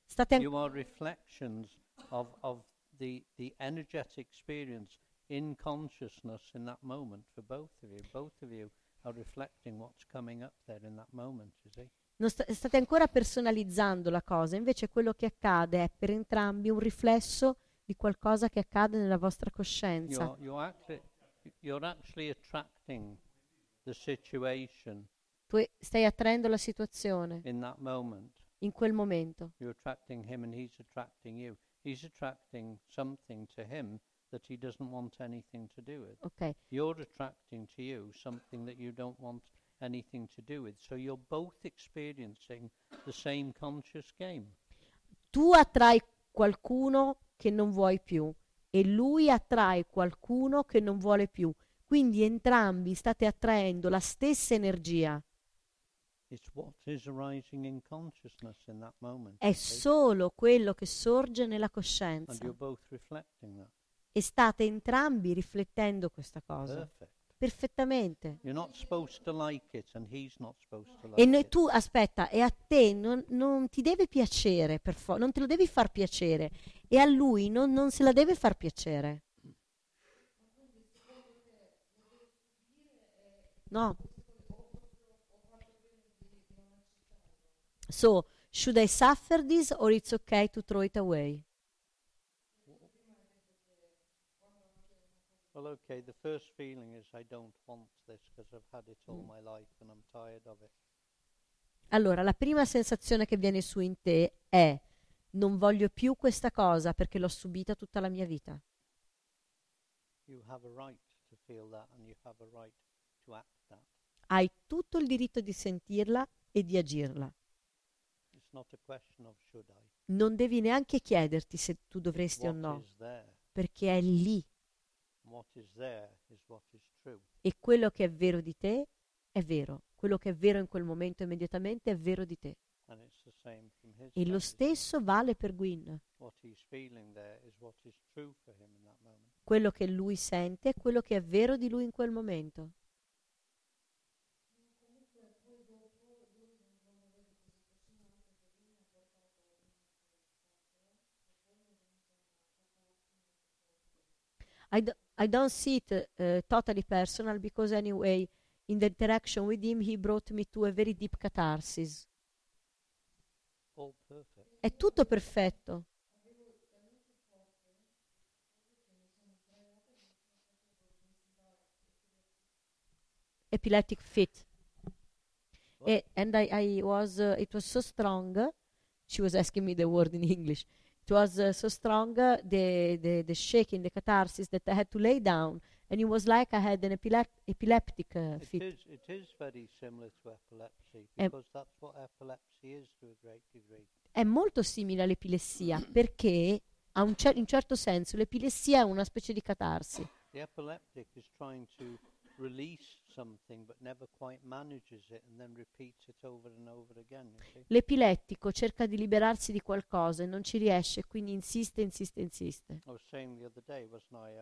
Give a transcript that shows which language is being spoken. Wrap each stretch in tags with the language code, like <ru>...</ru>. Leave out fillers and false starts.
<en>You are reflections of the energetic experience in consciousness in that moment for both of you. Both of you are reflecting what's coming up there in that moment, you see?</en> <it>State ancora personalizzando la cosa, invece quello che accade è per entrambi un riflesso di qualcosa che accade nella vostra coscienza.</it> <en>You're actually attracting the situation.</en> <it>Tu stai attraendo la situazione.</it> <en>In that moment.</en> <it>In quel momento.</it> <en>You're attracting him and he's attracting you. He's attracting something to him that he doesn't want anything to do with. Okay. You're attracting to you something that you don't want anything to do with. So you're both experiencing the same conscious game.</en> <it>Tu attrai qualcuno che non vuoi più e lui attrae qualcuno che non vuole più. Quindi entrambi state attraendo la stessa energia.</it> <en>It's what is arising in consciousness in that moment.</en> <it>È solo quello che sorge nella coscienza.</it> <en>And you're both reflecting that.</en> <it>E state entrambi riflettendo questa cosa.</it> <en>Perfect.</en> <it>Perfettamente.</it> <en>You're not supposed to like it, and he's not supposed to like it.</en> <it>E noi, tu aspetta, e a te non ti deve piacere, non te lo devi far piacere, e a lui non se la deve far piacere.</it> <en>No. So, should I suffer this or it's okay to throw it away? Well, okay, the first feeling is I don't want this because I've had it all my life and I'm tired of it.</en> <it>Allora, la prima sensazione che viene su in te è non voglio più questa cosa perché l'ho subita tutta la mia vita.</it> <en>You have a right to feel that and you have a right to act that.</en> <it>Hai tutto il diritto di sentirla e di agirla.</it> <en>Not a question of should I.</en> <it>Non devi neanche chiederti se tu dovresti</it> <en>what</en> <it>o no,</it> <en>is there.</en> <it>Perché è lì.</it> <en>What is there is what is true.</en> <it>E quello che è vero di te è vero. Quello che è vero in quel momento immediatamente è vero di te.</it> <en>And it's the same from his</en> <it>e body. Lo stesso vale per Gwyn.</it> <en>What he's feeling there is what is true for him in that moment.</en> <it>Quello che lui sente è quello che è vero di lui in quel momento.</it> <en>I don't see it totally personal because anyway, in the interaction with him, he brought me to a very deep catharsis. All perfect.</en> <it>È tutto perfetto.</it> <en>Epileptic fit. It was so strong. She was asking me the word in English. It was so strong, the shaking, the catharsis, that I had to lay down. And it was like I had an epileptic fit. It is very similar to epilepsy, because that's what epilepsy is to a great degree.</en> <it>È molto simile all'epilessia, perché ha in certo senso l'epilessia è una specie di catarsi.</it> <en>The epileptic is trying to release something but never quite manages it and then repeats it over and over again.</en> <it>L'epilettico cerca di liberarsi di qualcosa e non ci riesce, quindi insiste.</it> <en>I was saying the other day, wasn't I?</en>